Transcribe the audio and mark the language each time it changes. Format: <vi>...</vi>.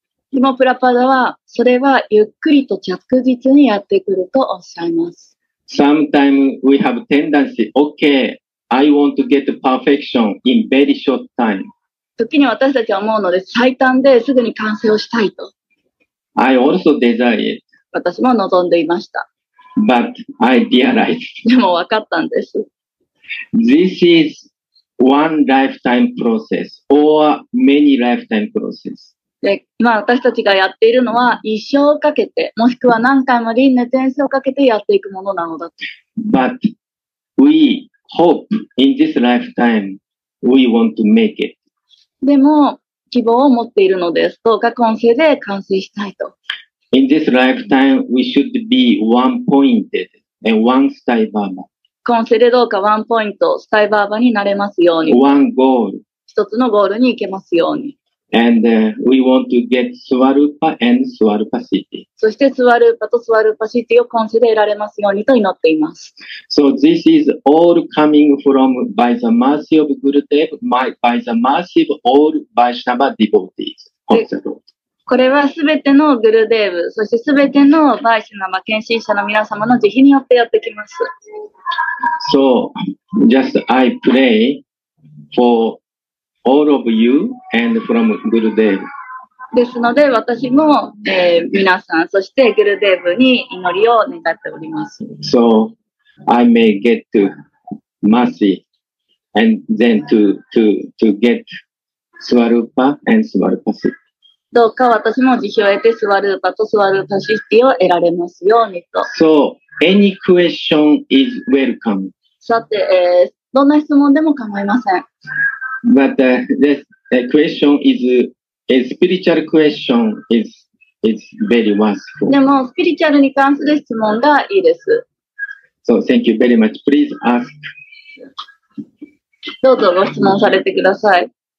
<ja>でもプラパダは、それはゆっくりと着実にやってくるとおっしゃいます。</ja> <en>Sometimes we have tendency, okay, I want to get perfection in very short time.</en> <ja>時に私たちは思うので、最短ですぐに完成をしたいと。</ja> <en>I also desire it.</en> <ja>私も望んでいました。</ja> <en>But I realized.</en> <ja>でも分かったんです。</ja> <en>This is one lifetime process or many lifetime process.</en> <ja>で、まあ私たちがやっているのは一生かけて、もしくは何回も輪廻転生をかけてやっていくものなのだと。</ja> <en>But we hope in this lifetime we want to make it.</en> <ja>でも希望を持っているのです。どうか今世で完成したいと。</ja> <en>In this lifetime, we should be one-pointed and one style Baba.</en> <ja>今世でどうかワンポイント、スタイバーバになれますように。</ja> <en>One goal.</en> <ja>一つのゴールに行けますように。</ja> <en>And we want to get Swarupa and Swarupa City.</en> <ja>そしてスワルーパとスワルーパシティを今世で得られますようにと祈っています。</ja> <en>So this is all coming from by the mercy of Gurudev, by the mercy of all Vaishnava devotees.</en> <ja>これはすべてのグルデーブ、そしてすべてのバイシナマ献身者の皆様の慈悲によってやってきます。</ja> <en>So just I pray for. All of you and from Gurudev.</en> <ja>ですので私も、皆さんそしてグルデーブに祈りを願っております。</ja> <en>So I may get to mercy and then to get Swarupa and Swarupa City.</en> <ja>どうか私も慈悲を得てスワルーパとスワルーパシティを得られますようにと。</ja> <en>So any question is welcome.</en> <ja>さて、どんな質問でも構いません。</ja> <en>But this question is a spiritual question is very worthful.</en> <ja>でもスピリチュアルに関する質問がいいです。</ja> <en>So thank you very much. Please ask.</en> <ja>どうぞご質問されてください。</ja>